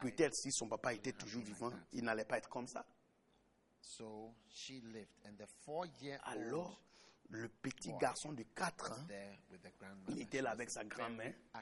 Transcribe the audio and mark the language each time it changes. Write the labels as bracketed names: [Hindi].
[French] peut-être si son papa était toujours vivant, [English] like [French] il n'allait pas être comme ça. [English] So she lived, and the 4-year old. [French] Alors, le petit garçon de 4 ans, il était là avec sa grand-mère.